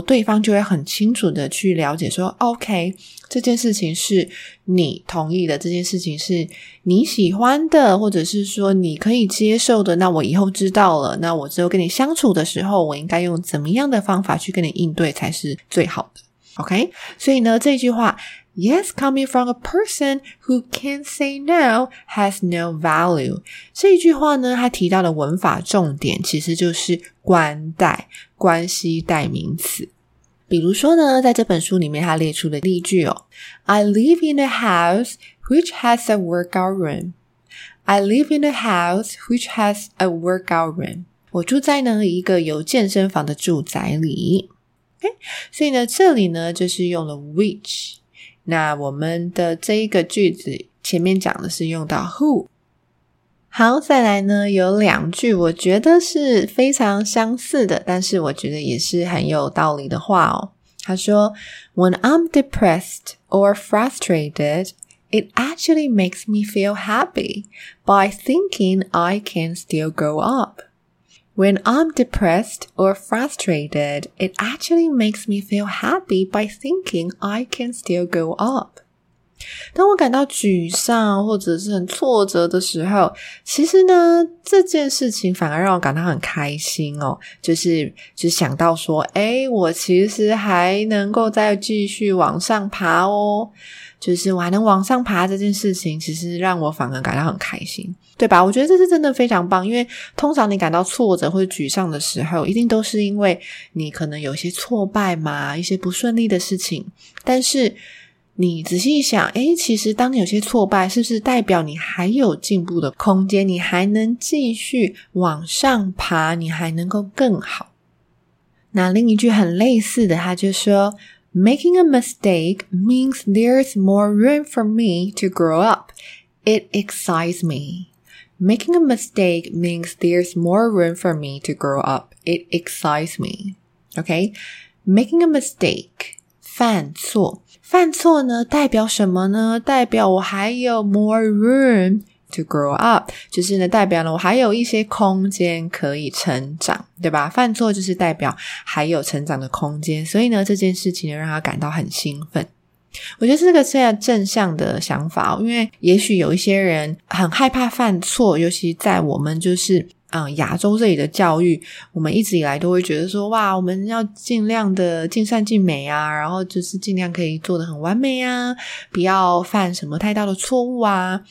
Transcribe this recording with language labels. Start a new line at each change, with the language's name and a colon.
Chinese: 对方就会很清楚的去了解说 OK， 这件事情是你同意的，这件事情是你喜欢的，或者是说你可以接受的，那我以后知道了，那我之后跟你相处的时候，我应该用怎么样的方法去跟你应对才是最好的， OK？所以呢，这句话
English: Yes coming from a person who can say no has no value，
Chinese: 这一句话呢，他提到的文法重点其实就是冠代，关系代名词。比如说呢，在这本书里面他列出的例句哦，
English: I live in a house which has a workout room，
Chinese: I live in a house which has a workout room， 我住在呢一个有健身房的住宅里， OK， 所以呢这里呢就是用了 which。那我们的这一个句子前面讲的是用到 who。好，再来呢有两句我觉得是非常相似的，但是我觉得也是很有道理的话哦。他说
English: When I'm depressed or frustrated it actually makes me feel happy by thinking I can still grow upWhen I'm depressed or frustrated, it actually makes me feel happy by thinking I can still go up.
Chinese: 当我感到沮丧或者是很挫折的时候，其实呢，这件事情反而让我感到很开心哦，就是想到说，诶，我其实还能够再继续往上爬哦。就是我还能往上爬这件事情其实让我反而感到很开心，对吧？我觉得这是真的非常棒，因为通常你感到挫折或者沮丧的时候一定都是因为你可能有些挫败嘛，一些不顺利的事情，但是你仔细想，诶，其实当你有些挫败是不是代表你还有进步的空间，你还能继续往上爬，你还能够更好。那另一句很类似的，他就说
English: Making a mistake means there's more room for me to grow up. It excites me. Making a mistake means there's more room for me to grow up. It excites me. Okay? Making a mistake.
Chinese: 犯错。犯错呢，代表什么呢？代表我还有
English: more room to grow up.
Chinese: 就是呢，代表呢，我还有一些空间可以成长。对吧？犯错就是代表还有成长的空间，所以呢这件事情呢让他感到很兴奋。我觉得这个是正向的想法，因为也许有一些人很害怕犯错，尤其在我们就是亚洲这里的教育，我们一直以来都会觉得说哇，我们要尽量的尽善尽美啊，然后就是尽量可以做得很完美啊，不要犯什么太大的错误啊。